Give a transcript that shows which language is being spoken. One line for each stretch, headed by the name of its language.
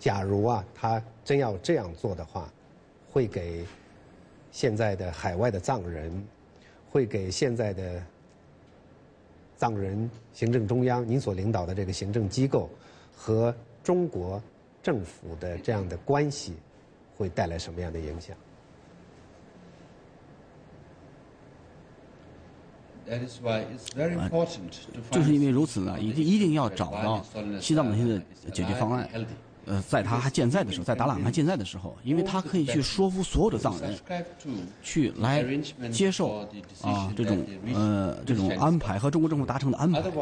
Chinese: 假如啊，他真要这样做的话，会给现在的海外的藏人，会给现在的藏人行政中央，您所领导的这个行政机构和中国政府的这样的关系会带来什么样的影响？
English: That is why it's very important to find，
Chinese: 就是因为如此呢，一定要找到西藏问题的解决方案。在他还健在的时候，在达赖喇嘛健在的时候，因为他可以去说服所有的藏人去来接受啊这种安排和中国政府达成的安排。